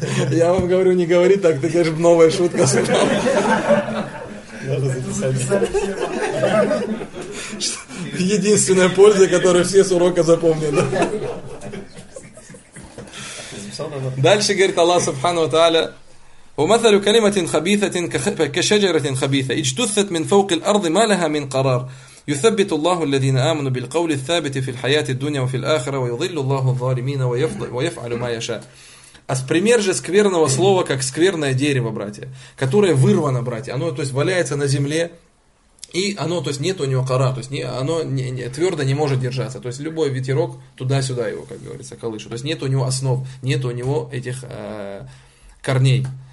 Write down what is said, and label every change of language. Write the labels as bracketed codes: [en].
[ru] Я вам говорю, не говори так, ты говоришь, новая шутка, субхана. Единственная польза, которую все с урока запомнили. Дальше говорит Аллах Субхану ва Тааля: [ar] وَمَثَلُ كَلِمَةٍ خَبِيثَةٍ كَشَجَرَةٍ خَبِيثَةٍ اجْتُثَّتْ مِنْ فَوْقِ الْأَرْضِ مَا لَهَا مِنْ قَرَارٍ يُثَبِّتُ اللَّهُ الَّذِينَ آمَنُوا بِالْقَوْلِ الثَّابِتِ فِي الْحَيَاةِ الدُّنْيَا وَفِي الْآخِرَةِ وَيُضِلُّ اللَّهُ الظَّالِمِينَ وَيَفْعَلُ مَا يَشَاءُ. [ru] А пример же скверного слова, как скверное дерево, братья, которое вырвано, братья, оно, то есть, валяется на земле, и оно, то есть, нет у него кора, то есть, не, оно не, твердо не может держаться, то есть, любой ветерок туда-сюда его, как говорится, колышет, то есть, нет у него основ, нет у него этих корней.